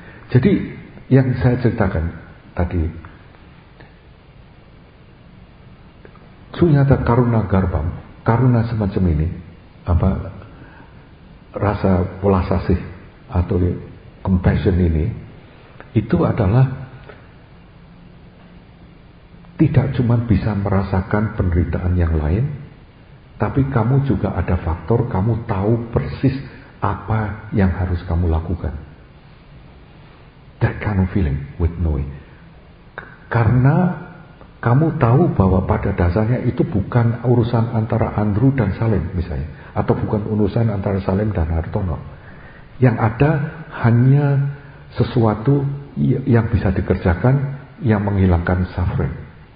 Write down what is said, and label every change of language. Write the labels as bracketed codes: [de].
[id] Jadi yang saya ceritakan tadi, sunyata karuna garbham, karuna semacam ini, apa rasa belas kasih atau compassion ini, itu adalah tidak cuma bisa merasakan penderitaan yang lain, tapi kamu juga ada faktor, kamu tahu persis apa yang harus kamu lakukan. [en] That kind of feeling with knowing. [id] Karena kamu tahu bahwa pada dasarnya itu bukan urusan antara Andrew dan Salim misalnya, atau bukan urusan antara Salim dan Hartono. Yang ada hanya sesuatu yang bisa dikerjakan yang menghilangkan suffering.